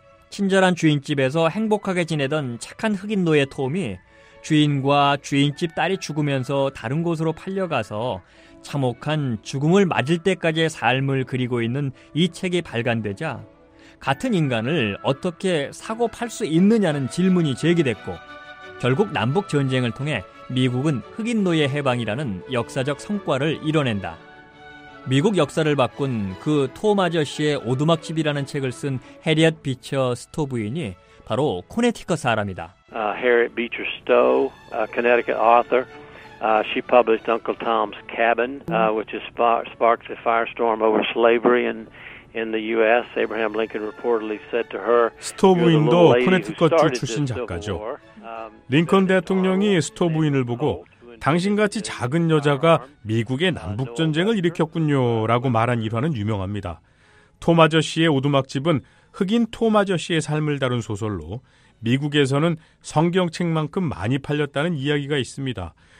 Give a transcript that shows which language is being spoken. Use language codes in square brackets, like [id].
[ko] 친절한 주인집에서 행복하게 지내던 착한 흑인 노예 톰이 주인과 주인집 딸이 죽으면서 다른 곳으로 팔려가서 참혹한 죽음을 맞을 때까지의 삶을 그리고 있는 이 책이 발간되자 같은 인간을 어떻게 사고 팔 수 있느냐는 질문이 제기됐고 결국 남북전쟁을 통해 미국은 흑인 노예 해방이라는 역사적 성과를 이뤄낸다. 미국 역사를 바꾼 그 톰 아저씨의 오두막집이라는 책을 쓴 해리엇 비처 스토 부인이 바로 코네티컷 사람이다. [en] Harriet Beecher Stowe, a Connecticut author. She published Uncle Tom's Cabin, which is sparked a firestorm over slavery in the U.S. Abraham Lincoln reportedly said to her. [ko] 스토 부인도 코네티컷 주 출신 작가죠. 링컨 대통령이 스토 부인을 보고 당신같이 작은 여자가 미국의 남북전쟁을 일으켰군요 라고 말한 일화는 유명합니다. 톰 아저씨의 오두막집은 흑인 톰 아저씨의 삶을 다룬 소설로 미국에서는 성경책만큼 많이 팔렸다는 이야기가 있습니다.